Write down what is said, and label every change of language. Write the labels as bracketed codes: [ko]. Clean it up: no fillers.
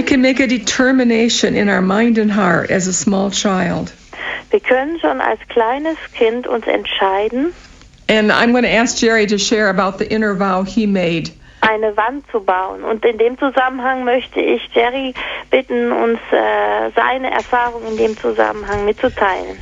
[en] We can make a determination in our mind and heart as a small child. [de] Wir können schon als kleines Kind uns entscheiden. [en] And I'm going to ask Jerry to share about the inner vow he made. [de] Eine Wand zu bauen. Und in dem Zusammenhang möchte ich Jerry bitten, uns seine Erfahrung in dem Zusammenhang mitzuteilen.